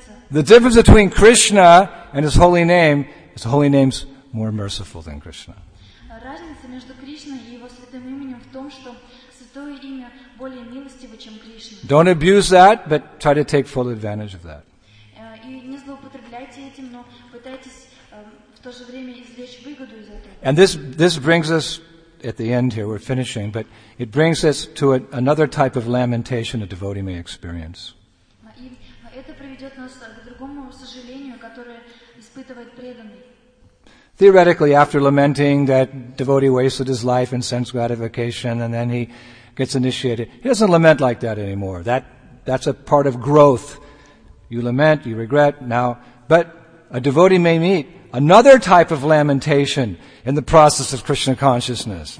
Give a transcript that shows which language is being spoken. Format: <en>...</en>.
<en>The difference between Krishna and his holy name is the holy name's more merciful than Krishna.</en> <ru>Разница между Кришной и его святым именем в том, что святое имя более милостиво, чем Кришна.</ru> <en>Don't abuse that, but try to take full advantage of that.</en> <ru>И не злоупотребляйте этим, но пытайтесь в то же время извлечь выгоду из этого.</ru> <en>And this brings us at the end here, we're finishing, but it brings us to another type of lamentation a devotee may experience.</en> <ru>И это приведет нас к другому сожалению, которое испытывает преданный.</ru> <en>Theoretically, after lamenting that devotee wasted his life in sense gratification and then he gets initiated, he doesn't lament like that anymore. That's a part of growth. You lament, you regret now. But a devotee may meet another type of lamentation in the process of Krishna consciousness.</en>